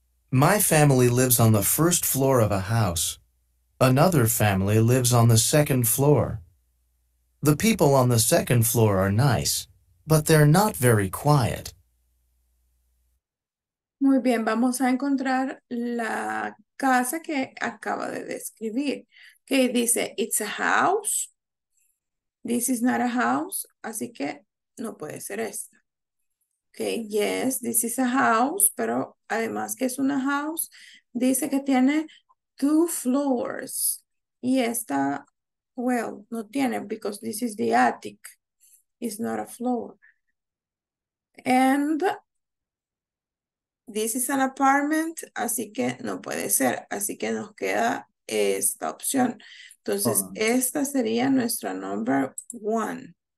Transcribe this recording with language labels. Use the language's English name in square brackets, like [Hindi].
[English] My family lives on the first floor of a house. Another family lives on the second floor. The people on the second floor are nice, but they're not very quiet. [Spanish] Muy bien, vamos a encontrar la casa que acaba de describir. Que dice, [English] it's a house. This is not a house. [Spanish] Así que no puede ser esta. [English] Okay, yes, this is a house. [Spanish] Pero además que es una house, dice que tiene [English] two floors. [Spanish] Y esta, [English] well, [Spanish] no tiene, [English] because this is the attic. It's not a floor. And this is an apartment, [Spanish] así que no puede ser. Así que nos queda esta opción. Entonces, esta sería nuestra [English] number one.